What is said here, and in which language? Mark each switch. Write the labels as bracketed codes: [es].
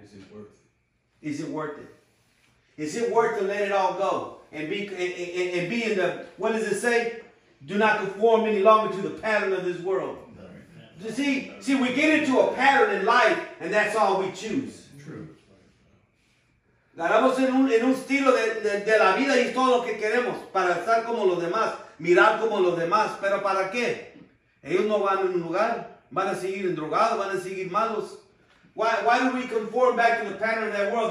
[en] Is it worth it? Is it worth it? Is it worth to let it all go and be in the, what does it say? Do not conform any longer to the pattern of this world. You see, we get into a pattern in life and that's all we choose. True. [es] Ganamos en un estilo de la vida y todo lo que queremos para estar como los demás, mirar como los demás. Pero para qué? Ellos no van en un lugar, van a seguir en drogados, van a seguir malos. [en] Why do we conform back to the pattern of that world?